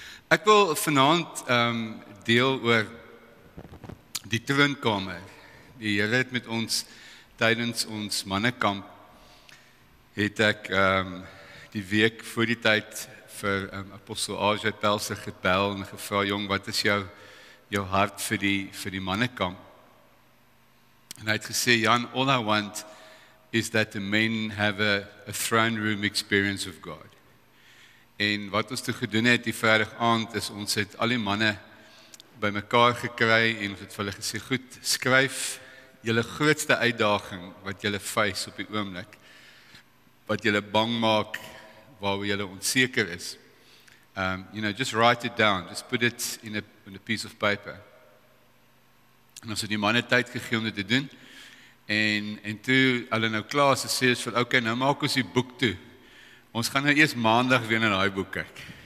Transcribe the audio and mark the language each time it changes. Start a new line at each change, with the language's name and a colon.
Afrikaans: Ek wil vanavond deel oor die troonkamer. Die Heere het met ons, tydens ons mannekamp, het ek die week voor die tyd vir Apostel A.J. Pelser gebel en gevra, jong, wat is jou hart vir die mannekamp? En hy het gesê,
English: Jan, all I want is that the men have a throne room experience of God.
Afrikaans: En wat ons toe gedoen het die vrijdag aand, is ons het al die manne by mekaar gekry en ons het vir hulle gesê, goed, skryf julle grootste uitdaging wat julle face op die oomblik, wat julle bang maak, waar julle onseker is.
English: You know, just write it down, just put it in a piece of paper.
Afrikaans: En ons het die manne tyd gegee om dit te doen, en toe hulle nou klaar is, sê ons van, oké, nou maak ons die boek toe. Ons gaan nou eers maandag weer in die boek kyk.